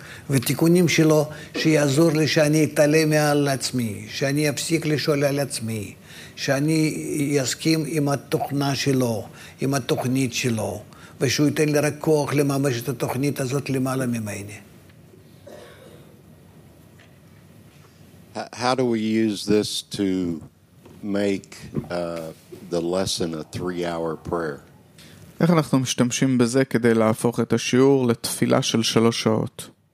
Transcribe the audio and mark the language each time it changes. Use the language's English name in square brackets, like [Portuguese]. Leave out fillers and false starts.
[Hebrew] ותיקונים שלו שיעזור לי שאני אתעלה מעל עצמי, שאני אפסיק לשאול על עצמי, שאני אסכים עם התוכנה שלו, עם התוכנית שלו, ושהוא ייתן לי רק כוח לממש את התוכנית הזאת למעלה ממני. [English] How do we use this to make the lesson a 3-hour prayer. [Hebrew] איך אנחנו משתמשים בזה כדי להפוך את השיעור לתפילה של 3 שעות?